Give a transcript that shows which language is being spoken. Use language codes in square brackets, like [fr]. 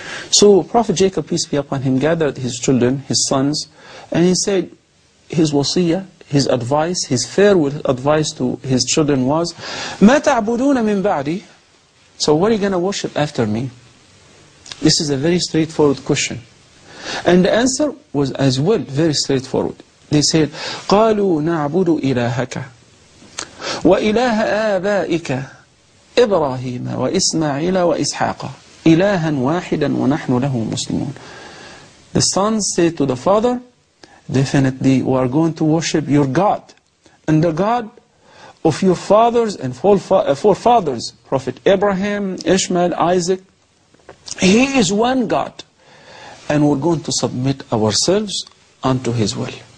[en] So Prophet Jacob, peace be upon him, gathered his children, his sons, and he said his wasiyah, his advice, his farewell advice to his children was, [ar] مَا تَعْبُدُونَ مِنْ بَعْدِي. [en] So what are you going to worship after me? This is a very straightforward question. And the answer was as well very straightforward. They said, [ar] قالوا نعبد إلهك وإله آبائك إبراهيم وإسماعيل وإسحاق إلها واحدا ونحن له مسلمون. [en] The son said to the father, definitely we are going to worship your God and the God of your fathers and forefathers, Prophet Abraham, Ishmael, Isaac. He is one God, and we're going to submit ourselves unto his will.